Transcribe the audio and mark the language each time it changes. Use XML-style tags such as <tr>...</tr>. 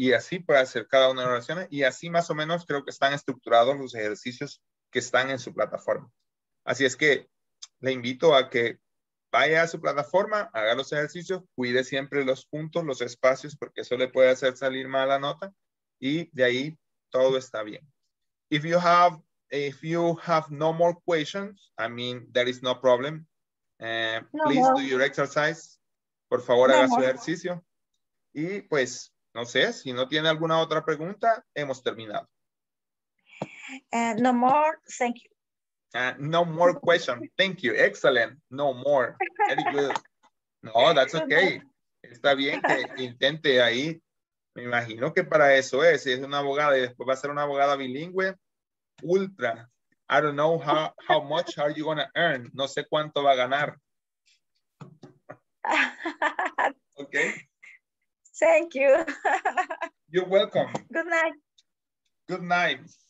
<es>Y así puede hacer cada una de las oraciones. Y así más o menos creo que están estructurados los ejercicios que están en su plataforma. Así es que le invito a que vaya a su plataforma, haga los ejercicios, cuide siempre los puntos, los espacios, porque eso le puede hacer salir mal la nota y de ahí todo está bien.</es> <en>If you have no more questions, I mean, there is no problem. Do your exercise.</en> <es>Por favor, haga su ejercicio. Y pues, no sé, si no tiene alguna otra pregunta, hemos terminado.</es> <en>No more, thank you. No more question. Thank you. Excellent. No more. Very good. No, that's okay.</en> <es>Está bien que intente ahí. Me imagino que para eso es. Si es una abogada y después va a ser una abogada bilingüe, ultra.</es> <en>I don't know how much are you going to earn.</en> <es>No sé cuánto va a ganar.</es> <en>Okay. Thank you. You're welcome. Good night. Good night.</en>